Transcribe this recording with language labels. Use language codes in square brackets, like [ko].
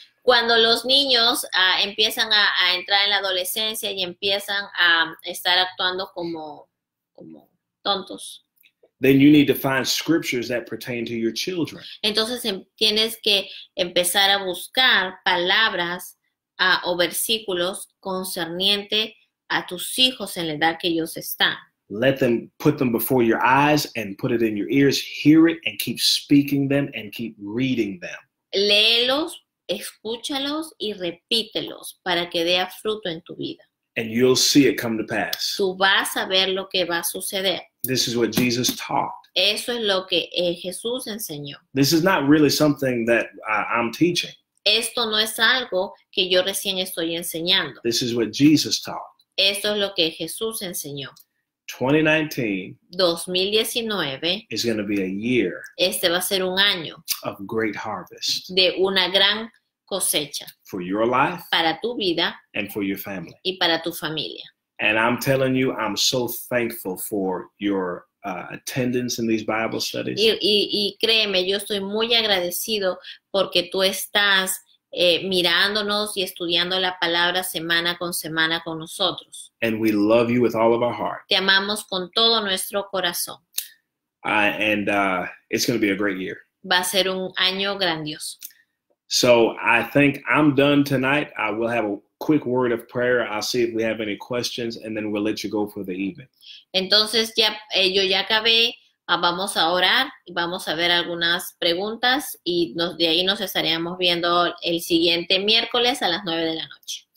[es] cuando los niños empiezan a entrar en la adolescencia y empiezan a estar actuando como tontos. [en] Then you need to find scriptures that pertain to your children. [es] Entonces tienes que empezar a buscar palabras o versículos concernientes a tus hijos en la edad que ellos están. [en] Let them put them before your eyes and put it in your ears. Hear it and keep speaking them and keep reading them. [es] Léelos, escúchalos y repítelos para que dé fruto en tu vida. [en] And you'll see it come to pass. [es] Tú vas a ver lo que va a suceder. [en] This is what Jesus taught. [es] Eso es lo que Jesús enseñó. [en] This is not really something that I'm teaching. [es] Esto no es algo que yo recién estoy enseñando. [en] This is what Jesus taught. [es] Esto es lo que Jesús enseñó. [en] 2019 is going to be a year. [es] Este va a ser un año [en] of great harvest. [es] De una gran cosecha. [en] For your life. [es] Para tu vida. [en] And for your family. [es] Y para tu familia. [en] And I'm telling you, I'm so thankful for your attendance in these Bible studies. [es] Y créeme, yo estoy muy agradecido porque tú estás mirándonos y estudiando la palabra semana con semana con nosotros. [en] And we love you with all of our heart. [es] Te amamos con todo nuestro corazón. [en] It's going to be a great year. [es] Va a ser un año grandioso. [en] So I think I'm done tonight. I will have a quick word of prayer. I'll see if we have any questions, and then we'll let you go for the evening. [es] Entonces ya yo ya acabé. Vamos a orar y vamos a ver algunas preguntas y de ahí nos estaríamos viendo el siguiente miércoles a las 9 de la noche.